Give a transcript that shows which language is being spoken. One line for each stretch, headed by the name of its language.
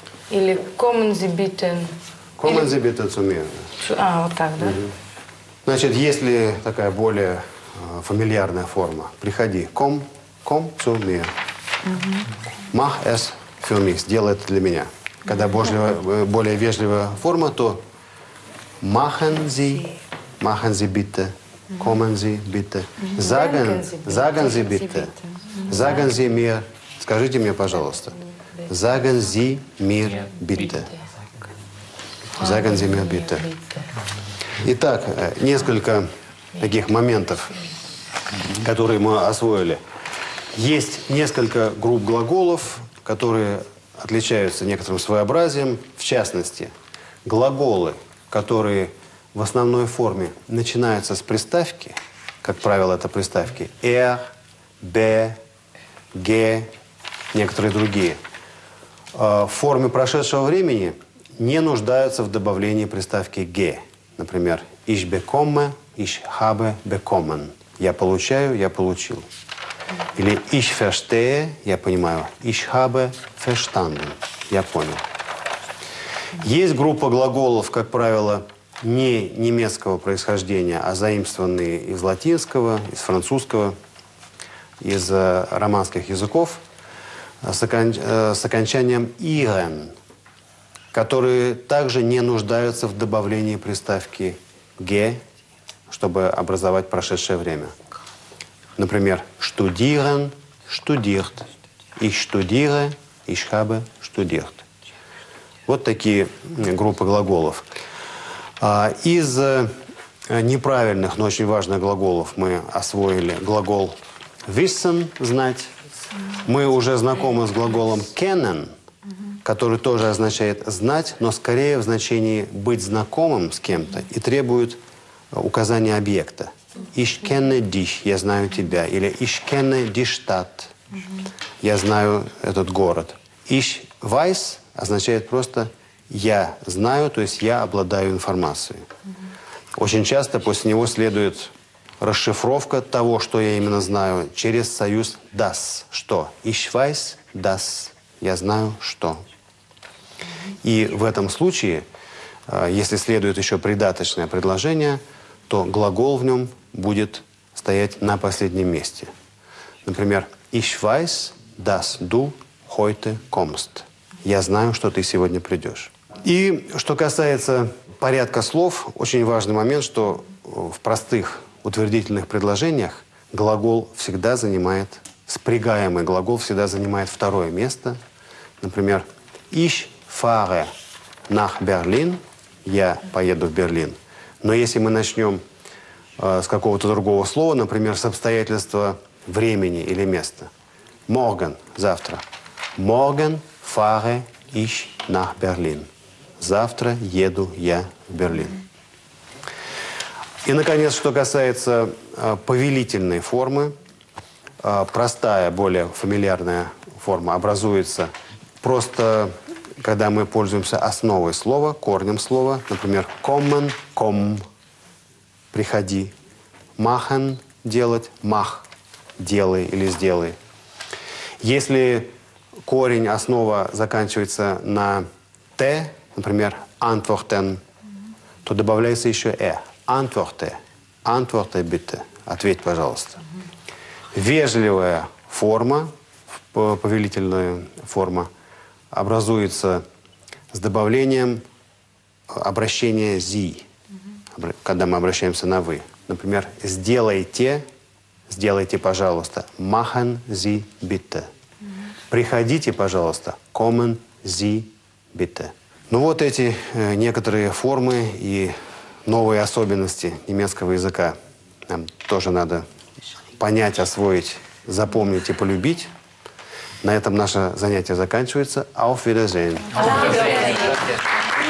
Russian: Или
German: kommen Sie bitte... Kommen Sie bitte zu mir.
Russian: А, вот так, да? Угу. Значит, есть ли такая более фамильярная форма? Приходи.
German: Komm zu mir.
Russian: Угу.
German: Mach es.
Russian: Сделай это для меня. Когда более вежливая форма, то
German: machen Sie bitte, kommen Sie bitte, sagen Sie bitte, sagen Sie mir,
Russian: скажите мне, пожалуйста,
German: sagen Sie mir bitte, sagen Sie mir bitte.
Russian: Итак, несколько таких моментов, которые мы освоили. Есть несколько групп глаголов, которые отличаются некоторым своеобразием. В частности, глаголы, которые в основной форме начинаются с приставки, как правило, это приставки «er», «be», «ge», некоторые другие, формы прошедшего времени не нуждаются в добавлении приставки «ге». Например,
German: «ich bekomme», «ich habe bekommen».
Russian: «Я получаю», «я получил».
German: Или «ich verstehe»,
Russian: «я понимаю»,
German: «ich habe verstanden»,
Russian: «я понял». Есть группа глаголов, как правило, не немецкого происхождения, а заимствованные из латинского, из французского, из романских языков, с окончанием «ihren», которые также не нуждаются в добавлении приставки «ге», чтобы образовать прошедшее время. Например,
German: «studieren», «studiert», «ich studiere», «ich habe studiert».
Russian: Вот такие группы глаголов. Из неправильных, но очень важных глаголов мы освоили глагол «wissen» – «знать». Мы уже знакомы с глаголом «kennen», который тоже означает «знать», но скорее в значении «быть знакомым с кем-то» и требует указания объекта.
German: «Ich kenne dich»
Russian: – «я знаю тебя», или
German: «ich kenne die Stadt»
Russian: – «я знаю этот город».
German: «Ich weiß»
Russian: означает просто «я знаю», то есть «я обладаю информацией». Очень часто после него следует расшифровка того, что я именно знаю, через союз «das», что
German: «ich weiß das»,
Russian: «я знаю что». И в этом случае, если следует еще придаточное предложение, то глагол в нем будет стоять на последнем месте. Например,
German: «ich weiß, dass du heute kommst».
Russian: «Я знаю, что ты сегодня придешь». И что касается порядка слов, очень важный момент, что в простых утвердительных предложениях глагол всегда занимает, спрягаемый глагол всегда занимает второе место. Например,
German: «ich fahre nach Berlin»,
Russian: «я поеду в Берлин». Но если мы начнем с какого-то другого слова, например, с обстоятельства времени или места.
German: «Morgen»
Russian: – «завтра».
German: «Morgen fahre ich nach Berlin».
Russian: «Завтра еду я в Берлин». И, наконец, что касается повелительной формы, простая, более фамильярная форма образуется просто, когда мы пользуемся основой слова, корнем слова. Например, kommen – «komm» – «приходи». Machen – «делать» – «mach» – «делай» или «сделай». Если корень, основа заканчивается на «t», например, «antworten», то добавляется еще «e».
German: «Antworte» – «antworte bitte» –
Russian: «ответь, пожалуйста». Вежливая форма, повелительная форма, образуется с добавлением обращения «зи», когда мы обращаемся на «вы». Например, «сделайте», «сделайте, пожалуйста»,
German: «machen Sie bitte».
Russian: «Приходите, пожалуйста»,
German: «kommen Sie bitte».
Russian: Ну вот эти некоторые формы и новые особенности немецкого языка. Нам тоже надо понять, освоить, запомнить и полюбить. На этом наше занятие заканчивается.
German: Auf Wiedersehen! Auf Wiedersehen.